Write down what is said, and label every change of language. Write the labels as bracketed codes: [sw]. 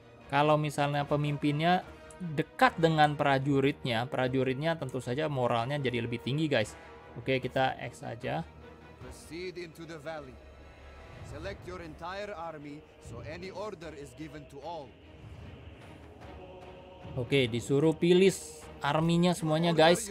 [id] Kalau misalnya pemimpinnya dekat dengan prajuritnya, prajuritnya tentu saja moralnya jadi lebih tinggi guys. Oke, kita X aja. [en] Proceed into the valley. Select your entire army so any order is given to all. [id] Oke, disuruh pilih arminya semuanya guys.